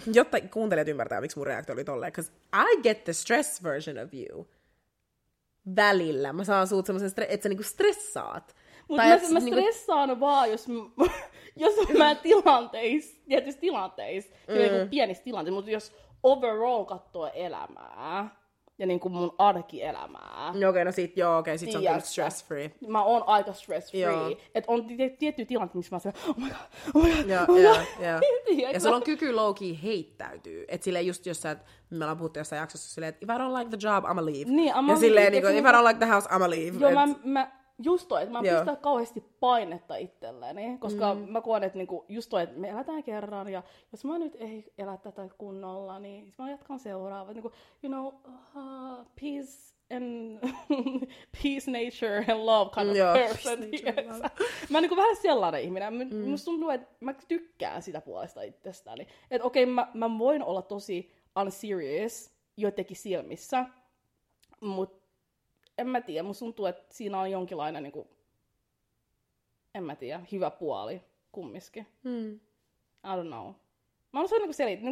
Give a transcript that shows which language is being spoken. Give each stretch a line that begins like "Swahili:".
Finnish: Jotta kuuntelijat ymmärtää, miksi mun reaktio oli tolleen.
English: Because I get the stress version of you.
Finnish: Välillä. Mä saan suut semmosen, että sä niinku stressaat. Mutta mä stressaan niinku... vaan, jos mä tietyissä tilanteissa, niinku pienissä tilanteissa, mutta jos overall katsoo elämää ja niinku mun arkielämää. Okei, sit on tietysti stress free. Mä oon aika stress free. Että on tietty tilante, missä mä oon silleen,
English: oh my god.
Finnish: Ja sulla on kyky low key heittäytyy. Että silleen just jos sä, me ollaan puhuttu jossain jaksossa silleen, että
English: if I don't like the job, I'ma leave. Niin, I'ma leave.
Finnish: Ja silleen, niin kuin,
English: if I don't like the house, I'ma leave.
Finnish: Joo, mä pistän kauheasti painetta itselleni, koska mä koen, että niinku, just toi, että me elätään kerran, ja jos mä nyt ei elä tätä kunnolla, niin mä jatkan seuraava.
English: Niinku, you know, peace and peace, nature and love kind of person.
Finnish: Mä oon niinku vähän sellainen ihminen. Musta tuntuu, että mä tykkään sitä puolesta itsestäni. Että okei, mä voin olla tosi unserious joidenkin silmissä, mutta en mä tiedä, musta tuntuu, että siinä on jonkinlainen, niin kuin, en mä tiedä, hyvä puoli kummiskin.
English: I don't know.
Finnish: Mä haluan sanoa niin selittää.